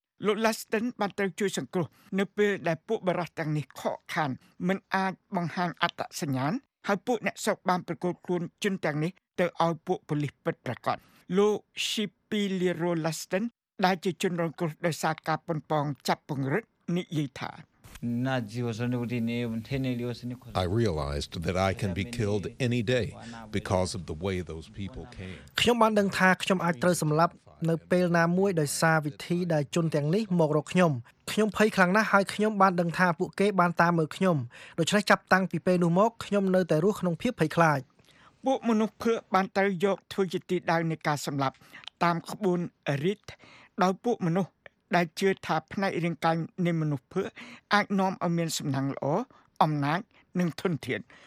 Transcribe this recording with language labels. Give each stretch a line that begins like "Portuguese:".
Khmer: លោក Laston បានត្រូវជួយសង្គ្រោះនៅពេលដែលពួកបរិសុទ្ធទាំងនេះខកខានមិនអាចបង្ហាញអត្តសញ្ញាណហើយពួកអ្នកសោកបានប្រកួតខ្លួនជន់ទាំងនេះទៅឲ្យពួកប៉ូលីសពិតប្រាកដលោក Shipy Leroy Laston ដែលជាជនរងគ្រោះដោយសារការប៉ុនប៉ងចាប់ពង្រឹតនិយាយថា
English: I realized that I can be killed any day because of the way those people came
Khmer: ខ្ញុំបានដឹងថាខ្ញុំអាចត្រូវសម្លាប់នៅពេលណាមួយដោយសារវិធីដែលជន់ទាំងនេះមករកខ្ញុំខ្ញុំភ័យខ្លាំងណាស់ហើយខ្ញុំបានដឹងថាពួកគេបានតាមមើលខ្ញុំដូច្នេះចាប់តាំងពីពេលនោះមកខ្ញុំនៅតែរស់ក្នុងភាពភ័យខ្លាច ពួកមនុស្សភឿបានត្រូវយកធ្វើជាទីដៅនៃការសម្លាប់តាមក្បួនរីតដោយពួកមនុស្សដែលជឿថាផ្នែករាងកាយនៃមនុស្សភឿអាចនាំឲ្យមានសំណាងល្អអំណាចនិងធនធាន